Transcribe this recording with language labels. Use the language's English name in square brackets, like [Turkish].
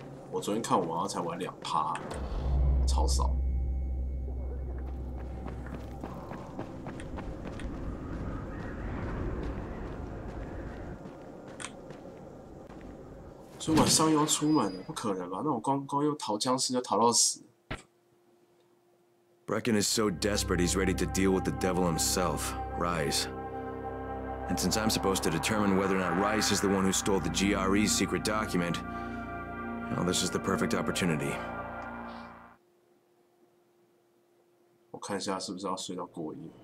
[Chinese] 我昨天看我才玩2%，超少。所以晚上又要出门了，不可能吧？那我光又逃僵尸，又逃到死。 [English] Brecken is so desperate, he's ready to deal with the devil himself, Reyes. And since I'm supposed to determine whether or not Reyes is the one who stole the GRE's secret document, well, this is the perfect opportunity. [Chinese] 我看一下是不是要睡到过夜。